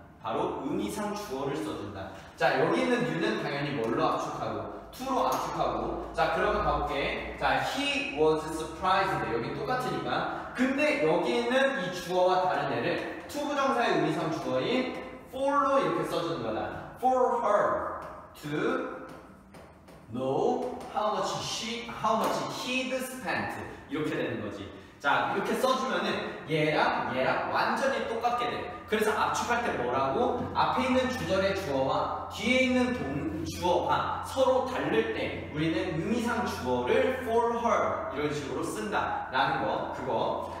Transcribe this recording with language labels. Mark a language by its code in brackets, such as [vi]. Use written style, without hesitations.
[ko] 바로 의미상 주어를 써준다. 자, 여기 있는 you는 당연히 뭘로 압축하고 to로 압축하고. 자, 그러면 가볼게. 자, [en] he was surprised. [ko] 여기 똑같으니까. 근데 여기 있는 이 주어와 다른 애를 to 부정사의 의미상 주어인 for로 이렇게 써주는 거다. [en] For her to know how much he'd spent. [ko] 이렇게 되는 거지. 자, 이렇게 써주면은 얘랑 완전히 똑같게 돼. 그래서 압축할 때 뭐라고? 앞에 있는 주절의 주어와 뒤에 있는 주어가 서로 다를 때 우리는 의미상 주어를 for her 이런 식으로 쓴다 라는 거, 그거.